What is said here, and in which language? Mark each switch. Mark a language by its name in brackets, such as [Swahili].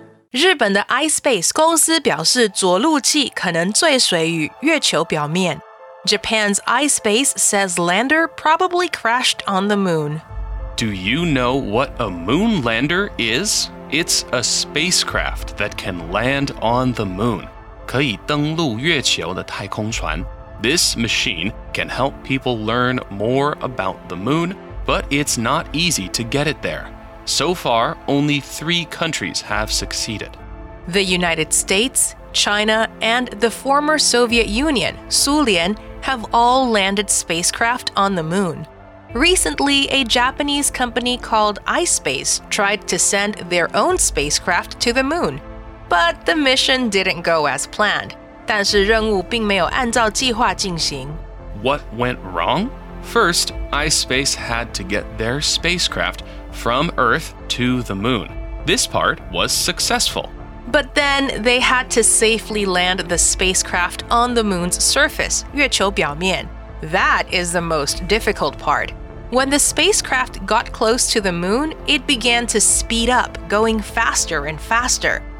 [Chinese] 日本的 ispace 公司表示着陆器可能坠毁于月球表面。 [English] Japan's ispace says lander probably crashed on the moon. Do you know what a moon lander is? It's a spacecraft that can land on the moon. [Chinese] 可以登陆月球的太空船。 [English] This machine can help people learn more about the moon, but it's not easy to get it there. So far, only three countries have succeeded. The United States, China, and the former Soviet Union, 苏联, have all landed spacecraft on the moon. Recently, a Japanese company called ispace tried to send their own spacecraft to the moon. But the mission didn't go as planned. [Chinese] 但是任务并没有按照计划进行。 [English] What went wrong? First, ispace had to get their spacecraft from Earth to the moon. This part was successful. But then they had to safely land the spacecraft on the moon's surface, 月球表面. That is the most difficult part. When the spacecraft got close to the moon, it began to speed up, going faster and faster.